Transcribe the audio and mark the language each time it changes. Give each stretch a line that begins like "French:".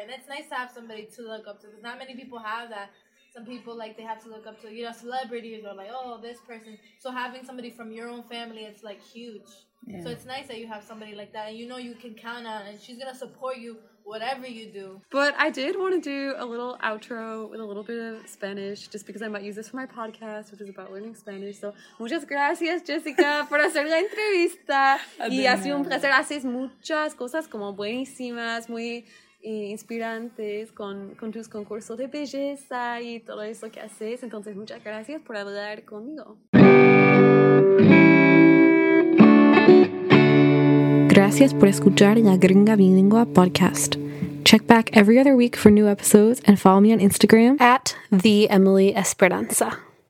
English: And it's nice to have somebody to look up to, because not many people have that. Some people, like, they have to look up to, you know, celebrities or, like, oh, this person. So having somebody from your own family, it's, like, huge. Yeah. So it's nice that you have somebody like that. And you know you can count on, and she's going to support you whatever you do. But I did want to do a little outro with a little bit of Spanish, just because I might use this for my podcast, which is about learning Spanish.
Spanish: So muchas gracias, Jessica, por hacer la entrevista. Y ha sido un placer. Haces muchas cosas como buenísimas, muy... y inspirantes con tus concursos de belleza y todo eso que haces. Entonces, muchas gracias por hablar conmigo. Gracias por escuchar La Gringa Bilingua Podcast.
English: Check back every other week for new episodes and follow me on Instagram @TheEmilyEsperanza.